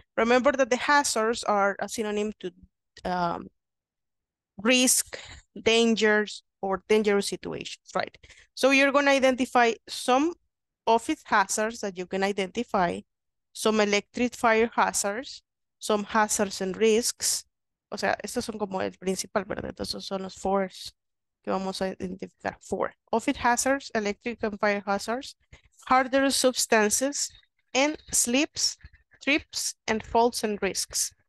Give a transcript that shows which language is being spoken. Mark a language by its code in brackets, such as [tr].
[en] Remember that the hazards are a synonym to risk, dangers, or dangerous situations, right? So you're gonna identify some office hazards that you can identify, some electric fire hazards, some hazards and risks. [es] O sea, estos son como el principal, ¿verdad? Entonces son los four que vamos a identificar. [en] Four. Office hazards, electric and fire hazards, harder substances, and slips, trips, and falls and risks.